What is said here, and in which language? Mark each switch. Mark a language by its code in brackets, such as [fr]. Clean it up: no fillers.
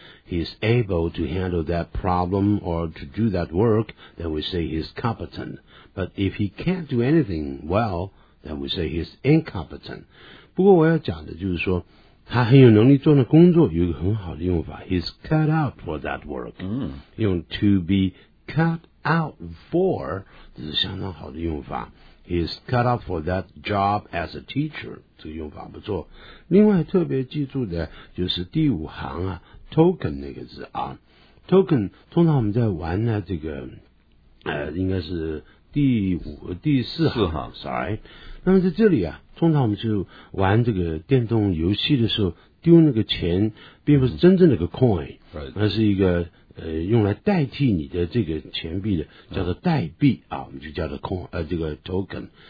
[en] He's able to handle that problem or to do that work, then we say he's competent. But if he can't do anything well, then we say he's incompetent. [zh] 不过我要讲的就是说，他很有能力做那工作，有一个很好的用法。 [en] He's cut out for that work.、 Mm. [zh] 用 to be cut out for, 这是相当好的用法。 [en] He's cut out for that job as a teacher. [zh] 这个用法不错。另外特别记住的就是第五行啊。 token 那个字啊 ，token 通常我们在玩呢，这个应该是第四行 ，sorry。那么在这里啊，通常我们就玩这个电动游戏的时候，丢那个钱，并不是真正的个 coin， 而是一个用来代替你的这个钱币的，叫做代币啊，我们就叫做 coin， 这个 token。